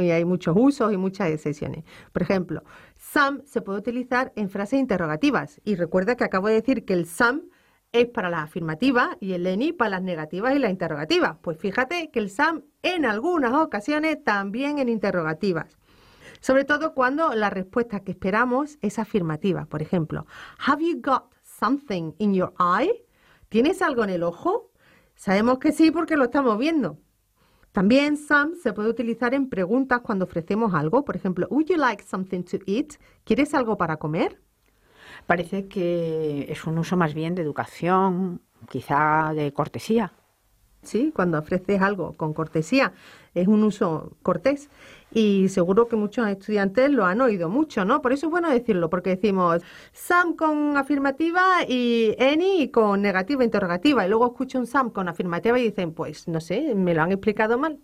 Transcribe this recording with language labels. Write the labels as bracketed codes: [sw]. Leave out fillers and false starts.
[es] Y hay muchos usos y muchas excepciones. Por ejemplo, some se puede utilizar en frases interrogativas, y recuerda que acabo de decir que el some es para las afirmativas y el any para las negativas y las interrogativas. Pues fíjate que el some en algunas ocasiones también en interrogativas. Sobre todo cuando la respuesta que esperamos es afirmativa. Por ejemplo, [en] have you got something in your eye? [es] ¿Tienes algo en el ojo? Sabemos que sí porque lo estamos viendo. También some se puede utilizar en preguntas cuando ofrecemos algo. Por ejemplo, [en] would you like something to eat? [es] ¿Quieres algo para comer? Parece que es un uso más bien de educación, quizá de cortesía. Sí, cuando ofreces algo con cortesía, es un uso cortés. Y seguro que muchos estudiantes lo han oído mucho, ¿no? Por eso es bueno decirlo, porque decimos Sam con afirmativa y any con negativa interrogativa. Y luego escucho un Sam con afirmativa y dicen, pues no sé, ¿me lo han explicado mal?